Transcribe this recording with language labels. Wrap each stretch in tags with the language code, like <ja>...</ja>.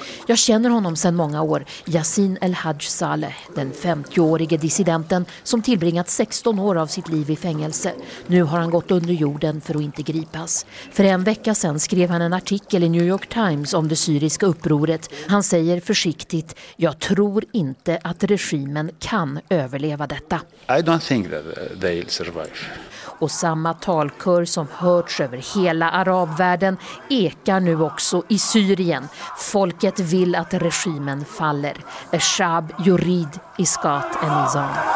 <sv>Jag känner honom sedan många år, Yasin El-Hajj Saleh, den 50-årige dissidenten som tillbringat 16 år av sitt liv i fängelse. Nu har han gått under jorden för att inte gripas. För en vecka sedan skrev han en artikel i New York Times om det syriska upproret. Han säger försiktigt: jag tror inte att regimen kan överleva detta.</sv> <en>I don't think that they'll survive.</en> <sv>Och samma talkör som hörts över hela arabvärlden ekar nu också i Syrien. Folket vill att regimen faller.</sv> <ar>Eshab Yurid Iskat Enizam.</ar>